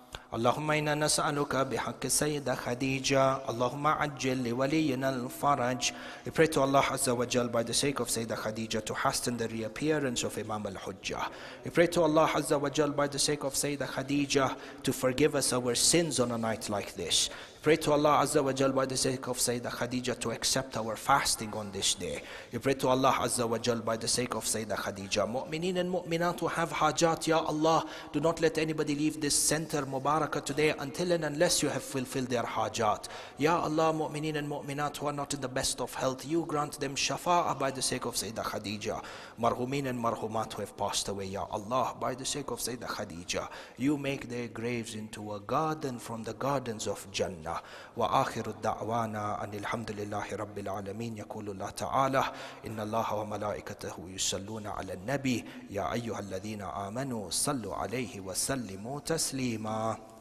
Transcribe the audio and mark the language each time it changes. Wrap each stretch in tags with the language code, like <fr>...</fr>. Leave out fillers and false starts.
<ar>اللهم إنا نسألك بحق السيدة خديجة اللهم عجل لولينا الفرج.</ar> <en>We pray to Allah Azza wa Jal by the sake of Sayyida Khadija to hasten the reappearance of Imam al-Hujjah. We pray to Allah Azza wa Jal by the sake of Sayyida Khadija to forgive us our sins on a night like this. Pray to Allah Azza wa Jal by the sake of Sayyida Khadija to accept our fasting on this day. We pray to Allah Azza wa Jal by the sake of Sayyida Khadija. Mu'mineen and mu'minat who have hajat, Ya Allah, do not let anybody leave this center Mubarakah today until and unless you have fulfilled their hajat. Ya Allah, mu'mineen and mu'minat who are not in the best of health, you grant them shafa'ah by the sake of Sayyida Khadija. Marhumin and marhumat who have passed away, Ya Allah, by the sake of Sayyida Khadija, you make their graves into a garden from the gardens of Jannah.</en> <ar>وآخر الدعوانا أن الحمد لله رب العالمين يقول الله تعالى إن الله وملائكته يصلون على النبي يا أيها الذين آمنوا صلوا عليه وسلموا تسليما</ar>